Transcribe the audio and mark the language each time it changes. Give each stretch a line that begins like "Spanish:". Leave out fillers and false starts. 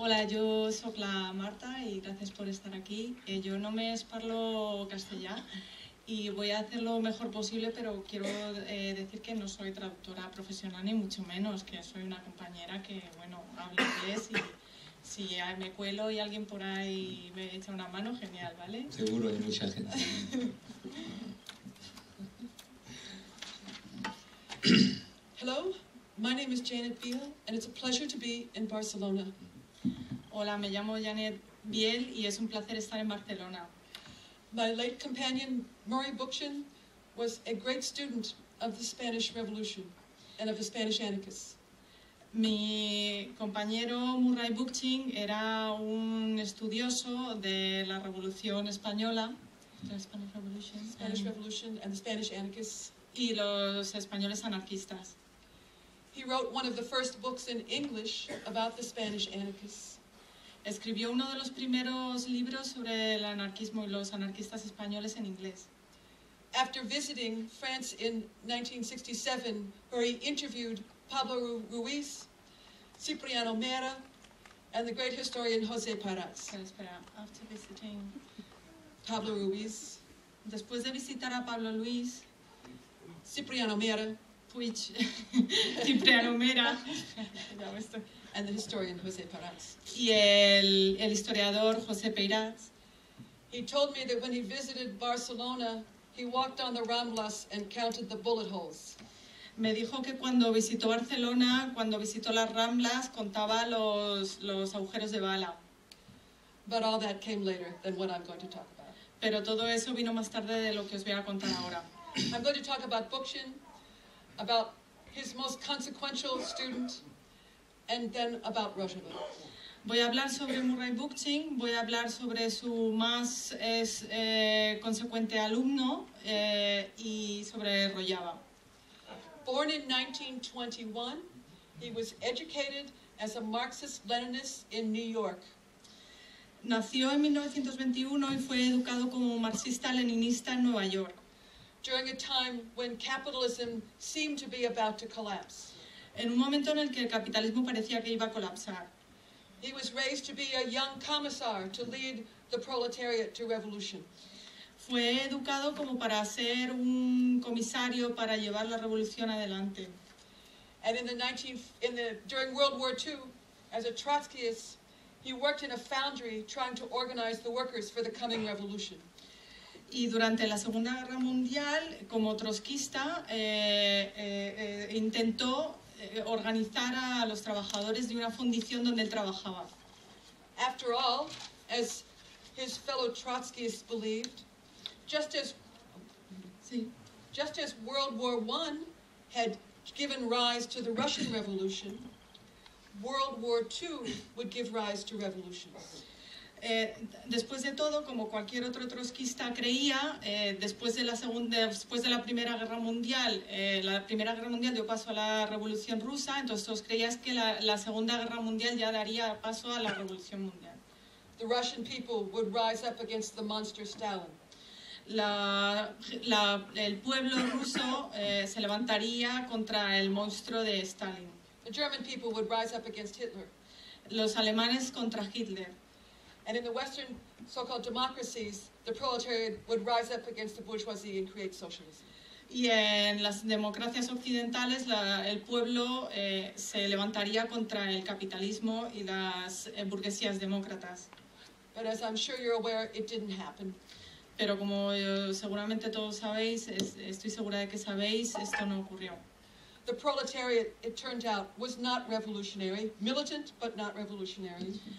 Catalan: Jo sóc la Marta i gràcies per estar aquí. Jo només parlo castellà i
Spanish: voy a hacer lo mejor posible, pero quiero decir que no soy traductora profesional ni mucho menos, que soy una compañera que, bueno, habla inglés y si me cuelo y alguien por ahí me echa una mano, genial, ¿vale? Seguro, hay mucha gente.
English: Hello, my name is Janet Biel and it's a pleasure to be in Barcelona.
Spanish: Hola, me llamo Janet Biel y es un placer estar en Barcelona.
English: My late companion Murray Bookchin was a great student of the Spanish Revolution and of the Spanish anarchists.
Spanish: Mi compañero Murray Bookchin era un estudioso de la Revolución Española.
English: The Spanish Revolution. Spanish Revolution and the Spanish anarchists.
Spanish: Y los españoles anarquistas.
English: He wrote one of the first books in English about the Spanish anarchists.
Spanish: Escribió uno de los primeros libros sobre el anarquismo y los anarquistas españoles en inglés.
English: After visiting France in 1967, where he interviewed Pablo Ruiz, Cipriano Mera, and the great historian José Parás.
Spanish: Espera,
English: after visiting Pablo Ruiz.
Spanish: Después de visitar a Pablo Ruiz,
English: Cipriano Mera.
Spanish: Puig, Cipriano Mera.
English: And the historian José Parás.
Spanish: Y el historiador José Parás.
English: He told me that when he visited Barcelona, he walked on the Ramblas and counted the bullet holes.
Spanish: Me dijo que cuando visitó Barcelona, cuando visitó las Ramblas, contaba los agujeros de bala.
English: But all that came later than what I'm going to talk about.
Spanish: Pero todo eso vino más tarde de lo que os voy a contar ahora.
English: I'm going to talk about Bookchin, about his most consequential student, and then about Roosevelt.
Spanish: Voy a hablar sobre Murray Bookchin, voy a hablar sobre su más consecuente alumno y sobre Rojava.
English: Born in 1921, he was educated as a Marxist-Leninist in New York.
Spanish: Nació en 1921 y fue educado como marxista-leninista en Nueva York.
English: During a time when capitalism seemed to be about to collapse.
Spanish: En un momento en el que el capitalismo parecía que iba a colapsar.
English: He was raised to be a young commissar to lead the proletariat to revolution.
Spanish: Fue educado como para ser un comisario para llevar la revolución adelante.
English: And during World War II, as a Trotskyist, he worked in a foundry trying to organize the workers for the coming revolution.
Spanish: Y durante la Segunda Guerra Mundial, como trotskista, intentó organizar a los trabajadores de una fundición donde él trabajaba.
English: After all, as his fellow Trotskyists believed, just as World War I had given rise to the Russian Revolution, World War II would give rise to revolutions.
Spanish: después de todo, como cualquier otro trotskista creía, después de la Primera Guerra Mundial, la Primera Guerra Mundial dio paso a la Revolución Rusa, entonces todos creías que la Segunda Guerra Mundial ya daría paso a la Revolución Mundial.
English: The Russian people would rise up against the monster Stalin.
Spanish: El pueblo ruso se levantaría contra el monstruo de Stalin.
English: The German people would rise up against Hitler.
Spanish: Los alemanes contra Hitler.
English: And in the Western so-called democracies, the proletariat would rise up against the bourgeoisie and create socialism.
Spanish: Y en las democracias occidentales, el pueblo se levantaría contra el capitalismo y las burguesías demócratas.
English: But as I'm sure you're aware, it didn't happen.
Spanish: Pero como seguramente todos sabéis, estoy segura de que sabéis, esto no ocurrió.
English: The proletariat, it turned out, was not revolutionary, militant, but not revolutionary.